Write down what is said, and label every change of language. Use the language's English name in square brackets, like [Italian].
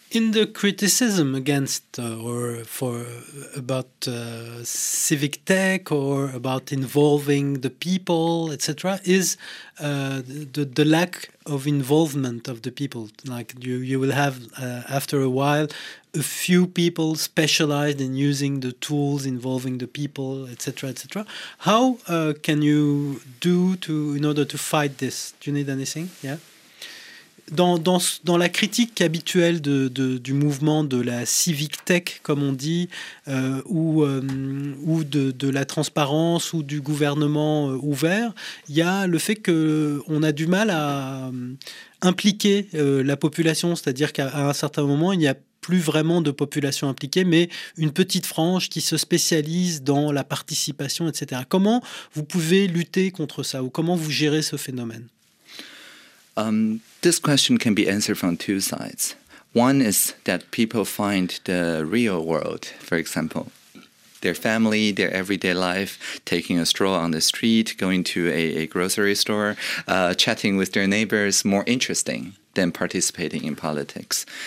[English] In the criticism against about civic tech or about involving the people, etc., is the lack of involvement of the people. Like you will have after a while a few people specialized in using the tools involving the people, etc., etc. How can you do in order to fight this? Do you need anything? Yeah. [French] Dans la critique habituelle du mouvement de la civic tech, comme on dit, ou de la transparence ou du gouvernement ouvert, il y a le fait qu'on a du mal à impliquer la population, c'est-à-dire qu'à un certain moment, il n'y a plus vraiment de population impliquée, mais une petite frange qui se spécialise dans la participation, etc. Comment vous pouvez lutter contre ça, ou comment vous gérez ce phénomène? [English] This question can be answered from two sides. One is that people find the real world, for example, their family, their everyday life, taking a stroll on the street, going to a grocery store, chatting with their neighbors, more interesting than participating in politics.